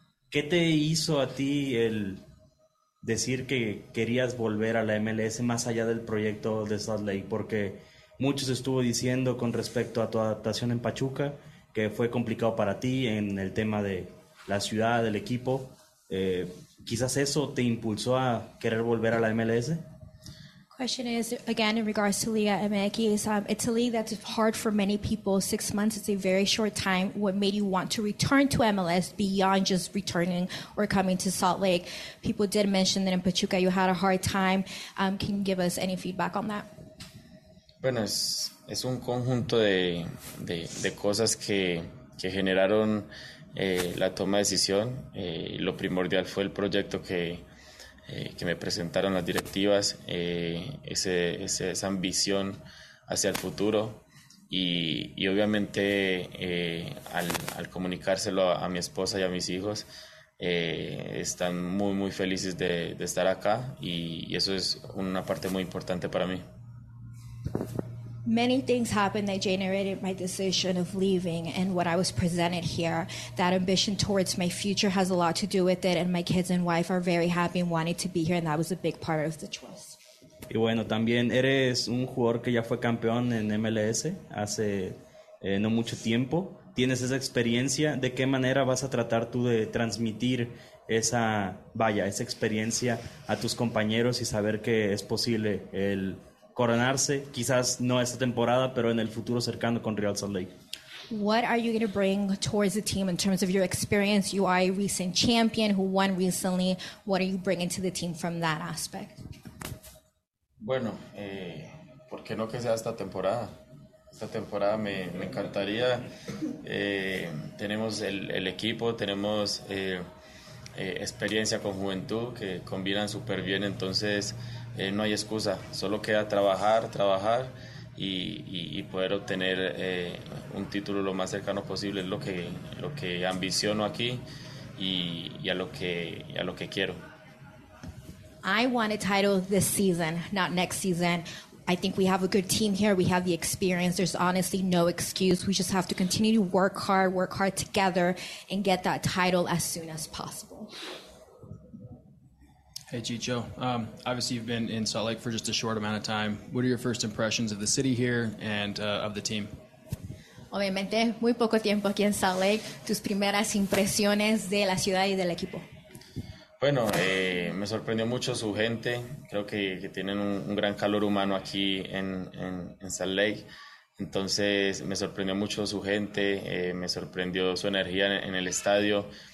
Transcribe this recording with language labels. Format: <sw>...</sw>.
<es>¿Qué te hizo a ti el decir que querías volver a la MLS más allá del proyecto de Salt Lake? Porque muchos estuvo diciendo con respecto a tu adaptación en Pachuca que fue complicado para ti en el tema de la ciudad, del equipo. ¿Quizás eso te impulsó a querer volver a la MLS?</es> <en>Question is, again, in regards to Liga MX, it's a league that's hard for many people. 6 months is a very short time. What made you want to return to MLS beyond just returning or coming to Salt Lake? People did mention that in Pachuca you had a hard time. Can you give us any feedback on that?</en> <es>Bueno, es un conjunto de cosas que generaron la toma de decisión. Lo primordial fue el proyecto que me presentaron las directivas, esa ambición hacia el futuro y obviamente al comunicárselo a mi esposa y a mis hijos, están muy, muy felices de estar acá y eso es una parte muy importante para mí.</es> <en>Many things happened that generated my decision of leaving and what I was presented here. That ambition towards my future has a lot to do with it, and my kids and wife are very happy and wanted to be here, and that was a big part of the choice.</en> <es>Y bueno, también eres un jugador que ya fue campeón en MLS hace no mucho tiempo. Tienes esa experiencia. ¿De qué manera vas a tratar tú de transmitir esa experiencia a tus compañeros y saber que es posible el coronarse, quizás no esta temporada, pero en el futuro cercano con Real Salt Lake?</es> <en>What are you going to bring towards the team in terms of your experience? You are a recent champion who won recently. What are you bringing to the team from that aspect?</en> <es>Bueno, ¿por qué no que sea esta temporada? esta temporada me encantaría. Tenemos el equipo, tenemos experiencia con juventud que combinan súper bien, entonces no hay excusa, solo queda trabajar y poder obtener un título lo más cercano posible, es lo que ambiciono aquí y a lo que quiero.</es> <en>I want a title this season, not next season. I think we have a good team here. We have the experience. There's honestly no excuse. We just have to continue to work hard together, and get that title as soon as possible. Hey, Chicho. Obviously, you've been in Salt Lake for just a short amount of time. What are your first impressions of the city here and of the team?</en> <es>Obviamente, muy poco tiempo aquí en Salt Lake. Tus primeras impresiones de la ciudad y del equipo. Bueno, me sorprendió mucho su gente. Creo que tienen un gran calor humano aquí en Salt Lake. Entonces, me sorprendió mucho su gente. Me sorprendió su energía en el estadio.</es>